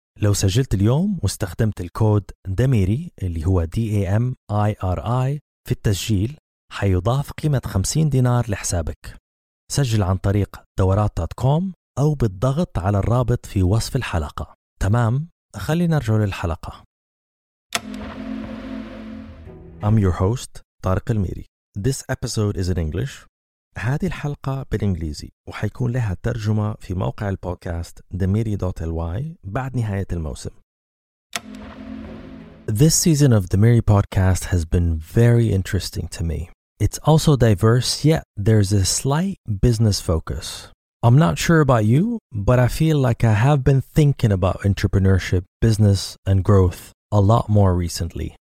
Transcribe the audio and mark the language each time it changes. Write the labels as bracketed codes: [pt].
[ar] لو سجلت اليوم واستخدمت الكود دميري اللي هو DAMIRI في التسجيل، حيضاف قيمة 50 دينار لحسابك. سجل عن طريق دورات.com أو بالضغط على الرابط في وصف الحلقة. تمام، خلينا نرجع للحلقة. [en] I'm your host طارق الميري. This episode is in English. [ar] هذه الحلقة بالإنجليزي وحيكون لها ترجمة في موقع البودكاست themiri.ly بعد نهاية الموسم. [en] This season of the Miri podcast has been very interesting to me. It's also diverse, yet there's a slight business focus. I'm not sure about you, but I feel like I have been thinking about entrepreneurship, business, and growth a lot more recently.